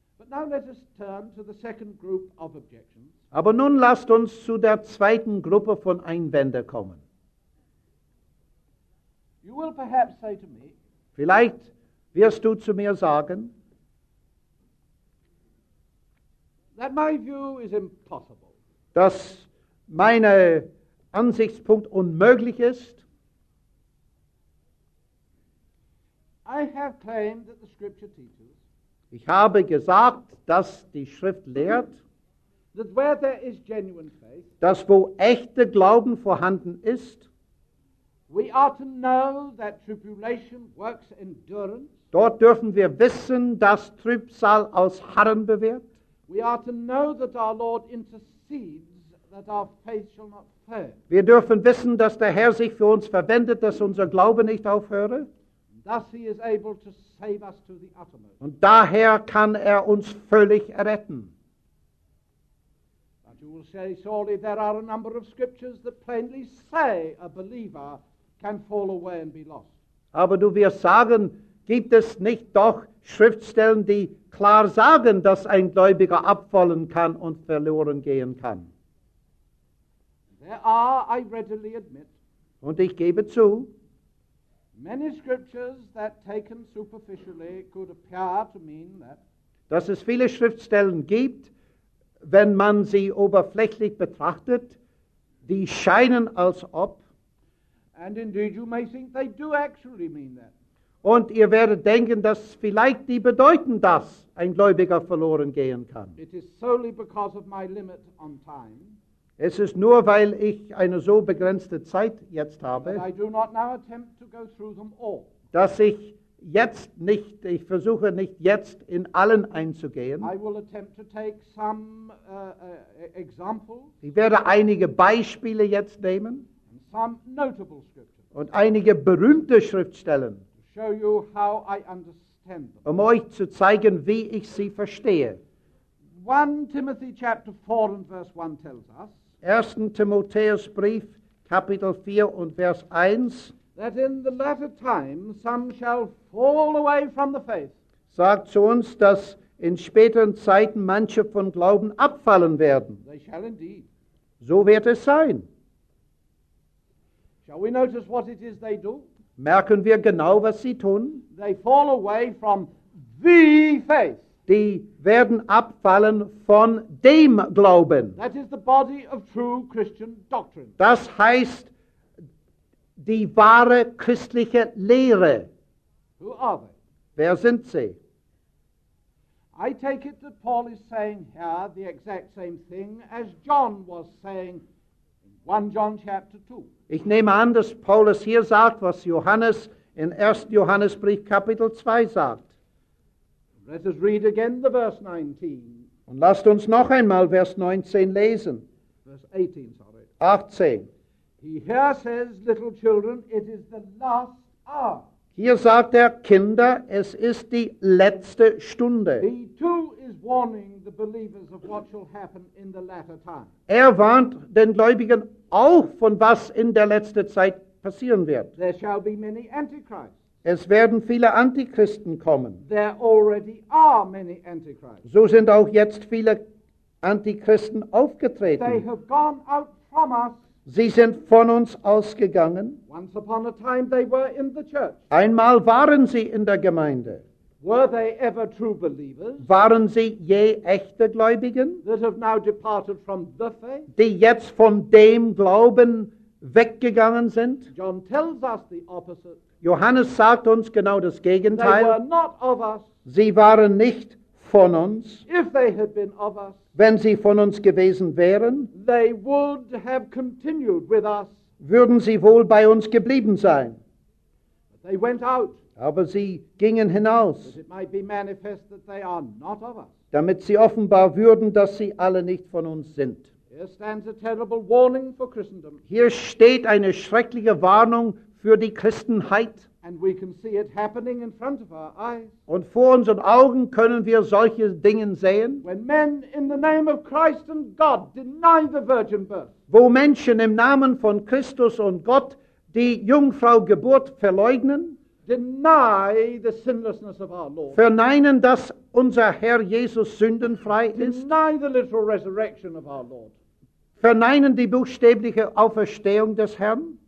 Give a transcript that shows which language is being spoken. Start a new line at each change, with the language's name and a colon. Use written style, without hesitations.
English: Now let us turn to the second group of objections.
German: Aber nun lasst uns zu der zweiten Gruppe von Einwänden kommen.
English: You will perhaps say to me,
German: vielleicht wirst du zu mir sagen,
English: that my view is impossible.
German: Dass mein Ansichtspunkt unmöglich ist.
English: I have claimed that the scripture teaches.
German: Ich habe gesagt, dass die Schrift lehrt,
English: that where there is genuine faith,
German: dass wo echter Glauben vorhanden ist,
English: we are to know that tribulation works endurance,
German: dort dürfen wir wissen, dass Trübsal aus Harren bewirkt.
English: We are to know that our Lord intercedes, that our faith shall not fail.
German: Wir dürfen wissen, dass der Herr sich für uns verwendet, dass unser Glaube nicht aufhöre.
English: Thus he is able to save us to the uttermost.
German: Und daher kann er uns völlig erretten.
English: But you will say, surely there are a number of scriptures that plainly say a believer can fall away and be lost.
German: Aber du wirst sagen, gibt es nicht doch Schriftstellen, die klar sagen, dass ein Gläubiger abfallen kann und verloren gehen kann?
English: There are, I readily admit.
German: Und ich gebe zu,
English: many scriptures that taken superficially could appear to mean that,
German: dass es viele Schriftstellen gibt, wenn man sie oberflächlich betrachtet, die scheinen als ob,
English: and indeed you may think they do actually mean that,
German: und ihr werdet denken, dass vielleicht die bedeuten, dass ein Gläubiger verloren gehen kann.
English: It is solely because of my limit on time.
German: Es ist nur, weil ich eine so begrenzte Zeit jetzt habe,
English: I do not now attempt to go through them all,
German: dass ich jetzt nicht, ich versuche nicht jetzt in allen einzugehen.
English: I will attempt to take some, examples,
German: ich werde einige Beispiele jetzt nehmen
English: and some notable scriptures,
German: und einige berühmte Schriftstellen,
English: to show you how I understand them,
German: um euch zu zeigen, wie ich sie verstehe.
English: 1 Timothy chapter 4 and verse 1 tells us,
German: 1. Timotheus Brief, Kapitel 4 und Vers 1,
English: that in the latter time some shall fall away from the faith,
German: sagt zu uns, dass in späteren Zeiten manche von Glauben abfallen werden.
English: They shall indeed.
German: So wird es sein.
English: Shall we notice what it is they do?
German: Merken wir genau, was sie tun?
English: They fall away from the faith.
German: Die werden abfallen von dem Glauben.
English: That is the body of true Christian doctrine.
German: Das heißt die wahre christliche Lehre.
English: Who are they?
German: Wer sind sie?
English: I take it that Paul is saying here the exact same thing as John was saying in 1 John chapter 2.
German: Ich nehme an, dass Paulus hier sagt, was Johannes in 1. Johannesbrief Kapitel 2 sagt.
English: Let us read again the verse 19.
German: Und lasst uns noch einmal Vers 19 lesen.
English: Verse 18. He here says, little children, it is the last hour.
German: Hier sagt er, Kinder, es ist die letzte Stunde.
English: He too is warning the believers of what shall happen in the latter time.
German: Er warnt den Gläubigen auch von was in der letzten Zeit passieren wird.
English: There shall be many antichrists.
German: Es werden viele Antichristen kommen.
English: There already are many antichrists.
German: So sind auch jetzt viele Antichristen aufgetreten.
English: They have gone out from us.
German: Sie sind von uns ausgegangen.
English: Once upon a time they were in the church.
German: Einmal waren sie in der Gemeinde.
English: Were they ever true believers?
German: Waren sie je echte Gläubigen?
English: That have now departed from the faith?
German: Die jetzt von dem Glauben weggegangen sind?
English: John tells us the opposite.
German: Johannes sagt uns genau das Gegenteil.
English: They were not of us.
German: Sie waren nicht von uns.
English: If they had been of us,
German: wenn sie von uns gewesen wären,
English: they would have continued with us,
German: würden sie wohl bei uns geblieben sein.
English: But they went out,
German: aber sie gingen hinaus,
English: it might be manifest that they are not of us,
German: damit sie offenbar würden, dass sie alle nicht von uns sind.
English: Here stands a terrible warning for Christendom.
German: Hier steht eine schreckliche Warnung für die Christenheit.
English: And we can see it happening in front of our eyes.
German: Und vor unseren Augen können wir solche Dinge sehen.
English: When men in the name of Christ and God deny the virgin birth.
German: Wo Menschen im Namen von Christus und Gott die Jungfraugeburt verleugnen.
English: Deny the sinlessness of our Lord.
German: Verneinen, dass unser Herr Jesus sündenfrei ist.
English: Deny the literal resurrection of our Lord.
German: Verneinen die buchstäbliche Auferstehung des Herrn.